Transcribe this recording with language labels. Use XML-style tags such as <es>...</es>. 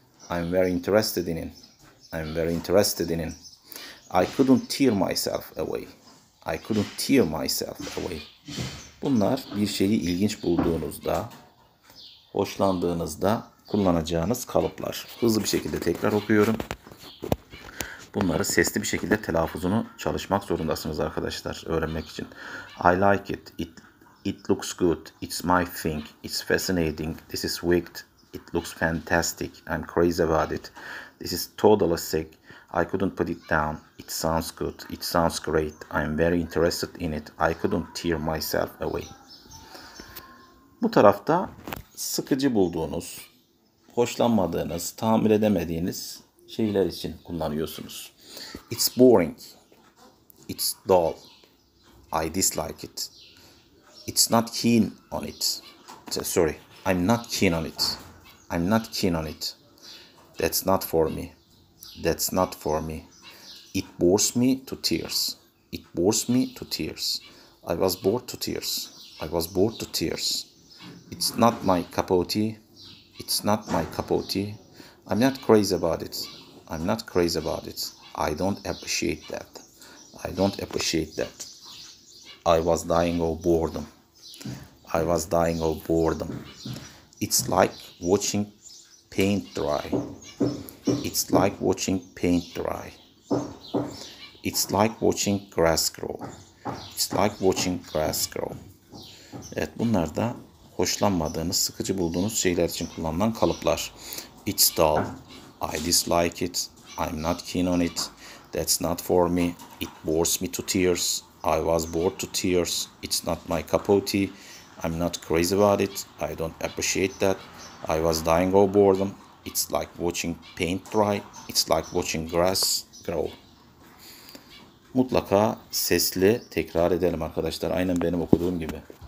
<en>I'm very interested in it. I'm very interested in it. I couldn't tear myself away. I couldn't tear myself away.</en> <tr>Bunlar bir şeyi ilginç bulduğunuzda, hoşlandığınızda kullanacağınız kalıplar. Hızlı bir şekilde tekrar okuyorum. Bunları sesli bir şekilde telaffuzunu çalışmak zorundasınız arkadaşlar öğrenmek için.</tr> <en>I like it. It looks good. It's my thing. It's fascinating. This is wicked. It looks fantastic. I'm crazy about it. This is totally sick. I couldn't put it down. It sounds good. It sounds great. I'm very interested in it. I couldn't tear myself away.</en> <tr>Bu tarafta sıkıcı bulduğunuz, hoşlanmadığınız, tahammül edemediğiniz şeyler için kullanıyorsunuz.</tr> <en>It's boring. It's dull. I dislike it. It's not keen on it. Sorry. I'm not keen on it. I'm not keen on it. That's not for me. That's not for me. It bores me to tears. It bores me to tears. I was bored to tears. I was bored to tears. It's not my cup of tea. It's not my cup of tea. I'm not crazy about it. I'm not crazy about it. I don't appreciate that. I don't appreciate that. I was dying of boredom. I was dying of boredom. It's like watching paint dry. It's like watching paint dry. It's like watching grass grow. It's like watching grass grow.</en> <tr>Evet, bunlar da hoşlanmadığınız, sıkıcı bulduğunuz şeyler için kullanılan kalıplar.</tr> <en>It's dull. I dislike it. I'm not keen on it. That's not for me. It bores me to tears. I was bored to tears. It's not my cup of tea. I'm not crazy about it. I don't appreciate that. I was dying of boredom. It's like watching paint dry. It's like watching grass grow.</en> <tr>Mutlaka sesli tekrar edelim arkadaşlar. Aynen benim okuduğum gibi.</tr>